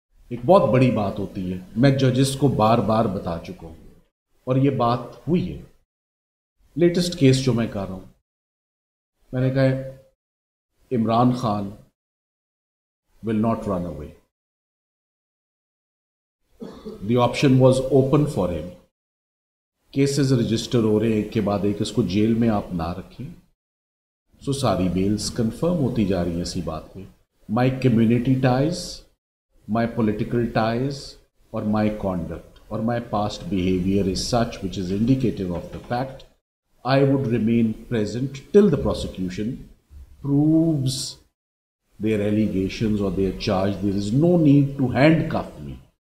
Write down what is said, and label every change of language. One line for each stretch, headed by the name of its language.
Urdu: ایک بہت بڑی بات ہوتی ہے, میں ججز کو بار بار بتا چکا ہوں اور یہ بات ہوئی ہے. لیٹسٹ کیس جو میں کر رہا ہوں, میں نے کہا ہے Imran Khan
English: will not run away. The option was open for him.
Urdu: Cases register ہو رہے ہیں, ایک کے بعد ایک, اس کو جیل میں آپ نہ رکھیں. سو ساری بیلز کنفرم ہوتی جا رہی ہیں اسی بات پہ.
English: My community ties, my political ties, اور my conduct اور my past behaviour is such which is indicative of the fact I would remain present till the prosecution proves their allegations or their charge. There is no need to handcuff me.